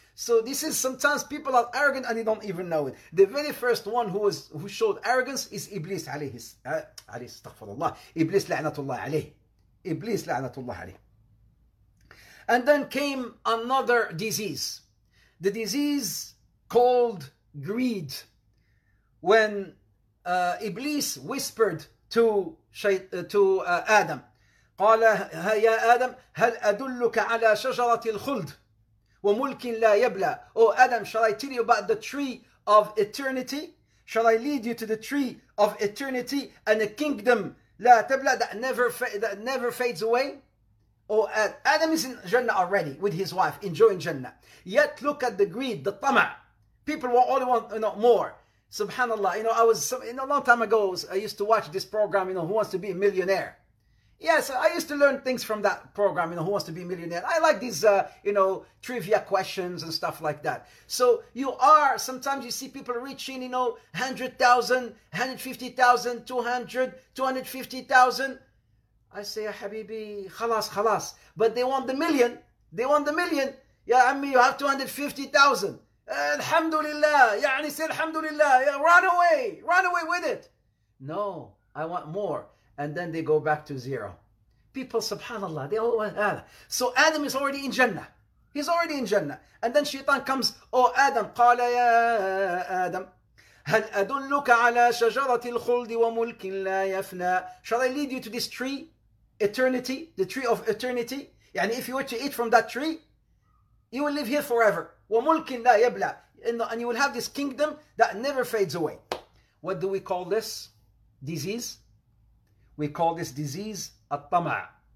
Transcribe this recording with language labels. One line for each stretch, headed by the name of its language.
English: So this is, sometimes people are arrogant and they don't even know it. The very first one who showed arrogance is Iblis alayhi astaghfirullah. Iblis la'natullah alayhi. Iblis la'natullah alayhi. And then came another disease. The disease called greed. When Iblis whispered to Adam,
Arabic: قَالَ يَا آدَمْ هَلْ أَدُلُّكَ عَلَى شَجَرَةِ الْخُلْدِ وَمُلْكٍ لَا يَبْلَى.
English: Oh Adam, shall I tell you about the tree of eternity? Shall I lead you to the tree of eternity and a kingdom
Arabic: لَا تَبْلَى
English: that never fades away? Oh Adam is in Jannah already with his wife, enjoying Jannah. Yet look at the greed, the tamah. People will only want, you know, more. SubhanAllah, you know, I was, in a long time ago, I used to watch this program, you know, Who Wants to Be a Millionaire? Yes, I used to learn things from that program, you know, Who Wants to Be a Millionaire? I like these, you know, trivia questions and stuff like that. So you are, sometimes you see people reaching, you know, 100,000, 150,000, 200, 250,000. I say, Habibi, khalas. But they want the million. Ya Ammi, you have 250,000. Alhamdulillah. Ya'ani say Alhamdulillah. Yeah, run away with it. No, I want more. And then they go back to zero. People, subhanAllah, they all want. So Adam is already in Jannah. He's already in Jannah. And then Shaitan comes, oh Adam,
Arabic: قال يا Adam, هل أدلك على شجرة الخلد وملك لا يفنى.
English: Shall I lead you to this tree? Eternity, the tree of eternity. Yani if you were to eat from that tree, you will live here forever.
Arabic: وملك لا يبلى.
English: And you will have this kingdom that never fades away. What do we call this? Disease? We call this disease at-tama'.